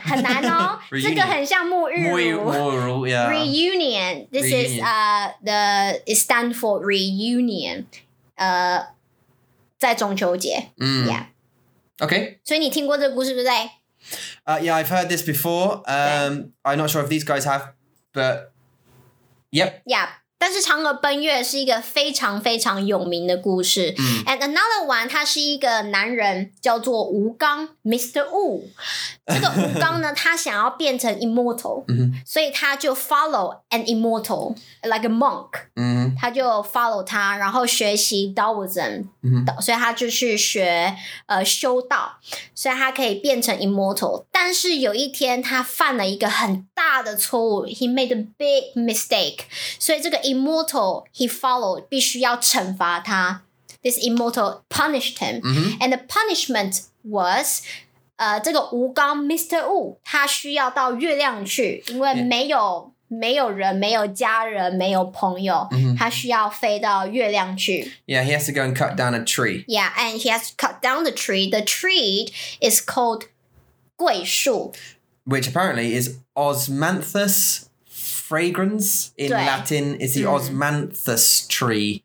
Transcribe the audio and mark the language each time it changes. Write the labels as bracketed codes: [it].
[zh] 很难哦这个很像沐浴乳 [en] reunion this is it stands for reunion [zh] 在中秋节 [en] okay [zh] 所以你听过这个故事对不对 [en] Yeah, I've heard this before. I'm not sure if these guys have, but yep. Yeah, [zh] 但是嫦娥奔月是一个非常非常有名的故事。 [en] And another one, [zh] 他是一个男人叫做吴刚 [en] ,Mr. Wu. [zh] 这个吴刚呢他想要变成 immortal, 所以他就 [en] follow an immortal, like a monk. [zh] 他就 follow 他然后学习 Taoism, 所以他就去学修道所以他可以变成 immortal. 但是有一天他犯了一个很大的错误 , [en] he made a big mistake. [zh] 所以这个 immortal, he followed, 必须要惩罚他 [en] This immortal punished him. And the punishment was, [zh] 这个吴刚 [en] Mr. [zh] Wu, 他需要到月亮去因为没有没有人没有家人没有朋友他需要飞到月亮去 [en] Yeah, he has to go and cut down a tree. Yeah, and he has to cut down the tree. The tree is called 桂树 Which apparently is Osmanthus fragrance in Latin is the Osmanthus tree.